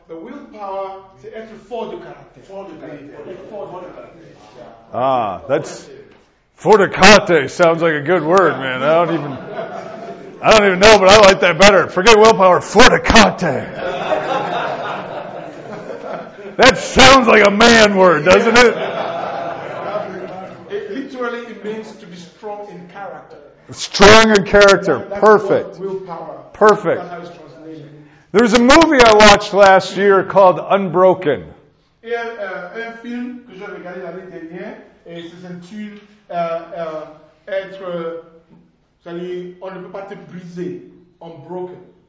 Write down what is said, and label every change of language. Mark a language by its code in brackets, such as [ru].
[en] The willpower, [fr] c'est être fort de caractère. Fort de caractère. Fort de caractère. [en] Ah, that's... Fortacate sounds like a good word, man. I don't even know, but I like that better. Forget willpower, fortacate. That sounds like a man word, doesn't it? It literally means to be strong in character. Strong in character, perfect. Willpower. Perfect. There was a movie I watched last year called Unbroken. [fr] Un film que j'ai regardé l'année dernière et c'est s'intitule être, c'est-à-dire, on ne peut pas te briser, unbroken.